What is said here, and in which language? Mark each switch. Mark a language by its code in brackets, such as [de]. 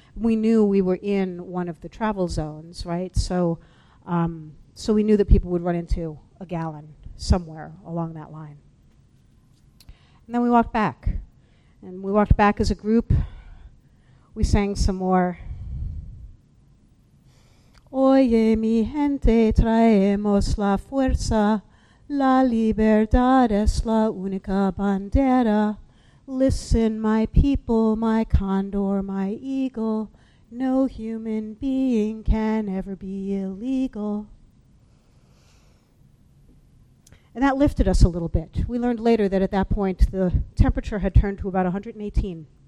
[en] We knew we were in one of the travel zones, right? So we knew that people would run into a gallon somewhere along that line. And then we walked back. And we walked back as a group. We sang some more. [es] Oye, mi gente, traemos la fuerza. La libertad es la única bandera. [en] Listen, my people, my condor, my eagle. No human being can ever be illegal. And that lifted us a little bit. We learned later that at that point, the temperature had turned to about 118.